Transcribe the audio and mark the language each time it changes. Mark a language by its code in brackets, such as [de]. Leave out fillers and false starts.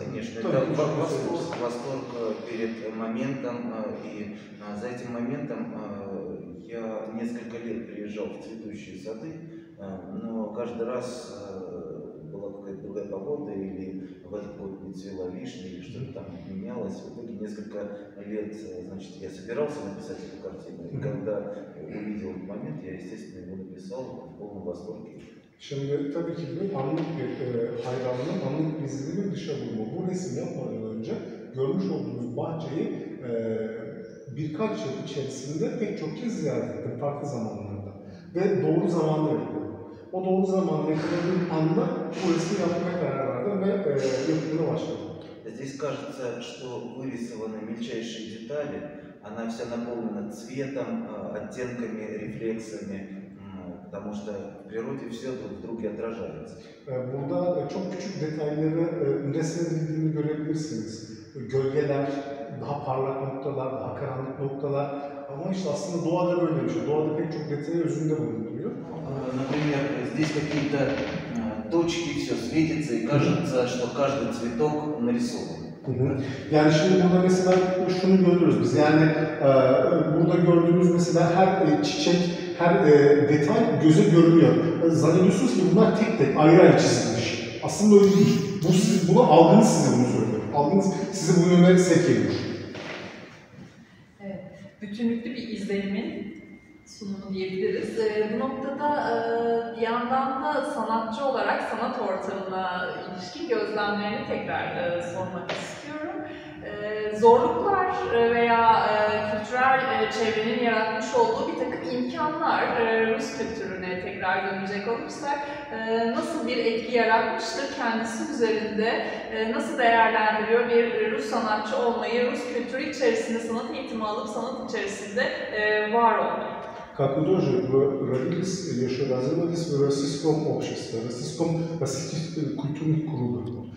[ru] Конечно, то это восторг перед моментом, и за этим моментом я несколько лет приезжал в цветущие сады, но каждый раз была какая-то другая погода, или в этот год не цвела вишня, или что-то там менялось. В итоге несколько лет, значит, я собирался написать эту картину, и когда увидел этот момент, я, естественно, его написал в полном восторге. [tr] Şimdi tabii ki bu anlık bir hayranlığın, anlık bir izlenimin dışa vurma. Bu resim yapmadan önce görmüş olduğunuz bahçeyi birkaç yıl içerisinde pek çok kez ziyaret ettim farklı zamanlarda. Ve doğru zamanda yapıyorum. O doğru zamanda yapıldığım anda bu resmi yapmaya karar verdim ve yapımına başladım. [ru] Здесь кажется, что вырисованы мельчайшие детали, она вся наполнена цветом, оттенками, рефлексами, потому что в природе все друг в друге отражается. [tr] Burada çok küçük detayları resmedildiğini görebilirsiniz. Gölgeler, daha parlak noktalar, daha karanlık noktalar. Ama işte aslında doğada böyle bir şey. Doğada pek çok detay özünde bulunuyor. [ru] Например, здесь какие-то точки, все светится, и кажется, что каждый цветок нарисован. [tr] Yani şimdi burada mesela şunu görüyoruz biz. Yani burada gördüğümüz mesela her çiçek, her detay göze görünüyor. Zannediyorsunuz ki bunlar tek tek ayrı ayrı çizilmiş. Aslında öyle değil. Bu siz, bunu algınız size bunu söylüyor. Algınız size bunu yönelik sevk ediyor. Bütünlüklü bir izlenimin sunumu diyebiliriz. Bu noktada bir yandan da sanatçı olarak sanat ortamına ilişkin gözlemlerini tekrar sormak istiyorum. zorluklar veya kültürel çevrenin yaratmış olduğu bir takım imkanlar Rus kültürüne tekrar dönecek olursak nasıl bir etki yaratmıştır kendisi üzerinde, nasıl değerlendiriyor bir Rus sanatçı olmayı, Rus kültürü içerisinde sanat eğitimi alıp sanat içerisinde var olmayı? [ru] Как вы тоже родились, еще развивались в российском обществе, в российском культурном круге.